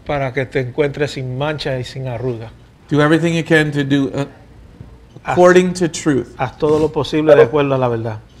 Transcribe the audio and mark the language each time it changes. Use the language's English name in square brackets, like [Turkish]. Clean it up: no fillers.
[Spanish] Para que te encuentres sin mancha y sin arruga. [English] Do everything you can to do according to truth. [Spanish] Haz todo lo posible de acuerdo a la verdad.